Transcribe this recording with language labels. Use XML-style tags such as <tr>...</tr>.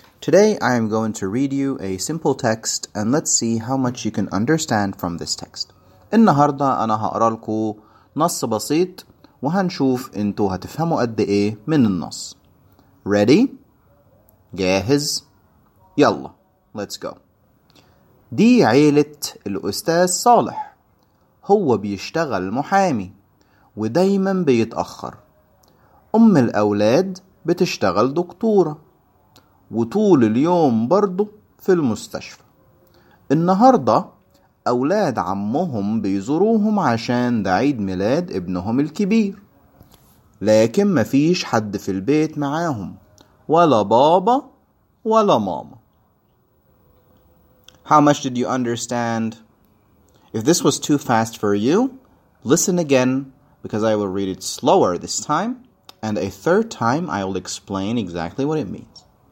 <en>Today, I am going to read you a simple text, and let's see how much you can understand from this text.</en> <ar>النهاردة أنا هقرأ لكم نص بسيط وهنشوف أنتوا هتفهموا قد إيه من النص.</ar> <en>Ready?</en> <ar>جاهز؟ يلا,</ar> <en>let's go.</en> <ar>دي عيلة الأستاذ صالح. هو بيشتغل محامي ودايما بيتأخر. أم الأولاد بتشتغل دكتورة وطول اليوم برضو في المستشفى. النهاردة أولاد عمهم بيزوروهم عشان ده عيد ميلاد ابنهم الكبير. لكن مفيش حد في البيت معاهم, ولا بابا ولا ماما.</ar> <en>How much did you understand? If this was too fast for you, listen again because I will read it slower this time. And a third time, I will explain exactly what it means.</en>